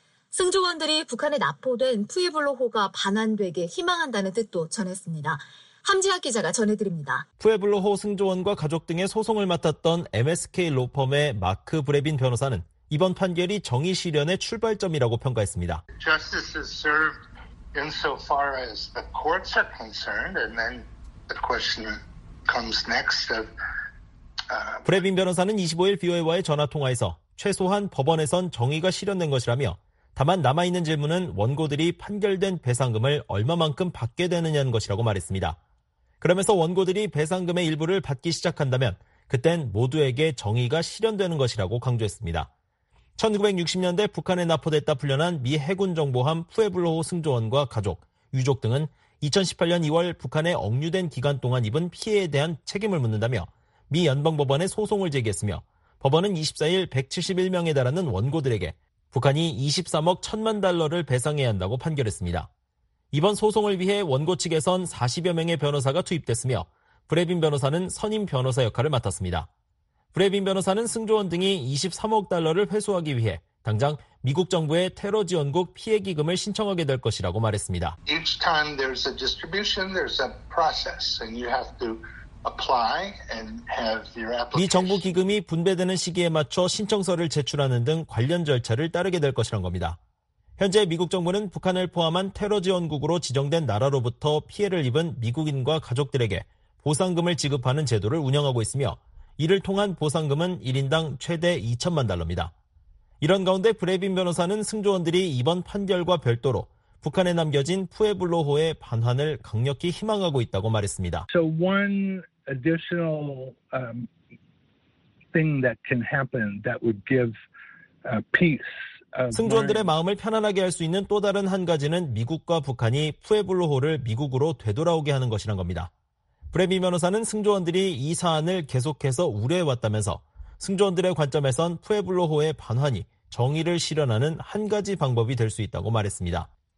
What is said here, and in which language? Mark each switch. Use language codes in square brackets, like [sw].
[ko] 승조원들이 북한에 납포된 푸에블로호가 반환되게 희망한다는 뜻도 전했습니다. 함지학 기자가 전해드립니다. 푸에블로호 승조원과 가족 등의 소송을 맡았던 MSK 로펌의 마크 브레빈 변호사는 이번 판결이 정의 실현의 출발점이라고 평가했습니다. [en] Justice is served insofar as the courts are concerned, and then the question comes next of [ko] 브레빈 변호사는 25일 VOA와의 전화통화에서 최소한 법원에선 정의가 실현된 것이라며 다만 남아있는 질문은 원고들이 판결된 배상금을 얼마만큼 받게 되느냐는 것이라고 말했습니다. 그러면서 원고들이 배상금의 일부를 받기 시작한다면 그땐 모두에게 정의가 실현되는 것이라고 강조했습니다. 1960년대 북한에 납포됐다 풀려난 미 해군 정보함 푸에블로호 승조원과 가족, 유족 등은 2018년 2월 북한에 억류된 기간 동안 입은 피해에 대한 책임을 묻는다며 미 연방법원에 소송을 제기했으며 법원은 24일 171명에 달하는 원고들에게 북한이 23억 1천만 달러를 배상해야 한다고 판결했습니다. 이번 소송을 위해 원고 측에선 40여 명의 변호사가 투입됐으며 브레빈 변호사는 선임 변호사 역할을 맡았습니다. 브레빈 변호사는 승조원 등이 23억 달러를 회수하기 위해 당장 미국 정부의 테러 지원국 피해 기금을 신청하게 될 것이라고 말했습니다. [en] Each time there's a distribution, there's a process, and you have to apply and have your application. [ko] 미 정부 기금이 분배되는 시기에 맞춰 신청서를 제출하는 등 관련 절차를 따르게 될 것이란 겁니다. 현재 미국 정부는 북한을 포함한 테러 지원국으로 지정된 나라로부터 피해를 입은 미국인과 가족들에게 보상금을 지급하는 제도를 운영하고 있으며 이를 통한 보상금은 1인당 최대 2천만 달러입니다. 이런 가운데 브레빈 변호사는 승조원들이 이번 판결과 별도로 북한에 남겨진 푸에블로호의 반환을 강력히 희망하고 있다고 말했습니다. [en] So one additional thing that can happen that would give peace. [ko] 승조원들의 마음을 편안하게 할 수 있는 또 다른 한 가지는 미국과 북한이 푸에블로호를 미국으로 되돌아오게 하는 것이란 겁니다. 브레미 변호사는 승조원들이 이 사안을 계속해서 우려해왔다면서 승조원들의 관점에선 푸에블로호의 반환이 정의를 실현하는 한 가지 방법이 될 수 있다고 말했습니다.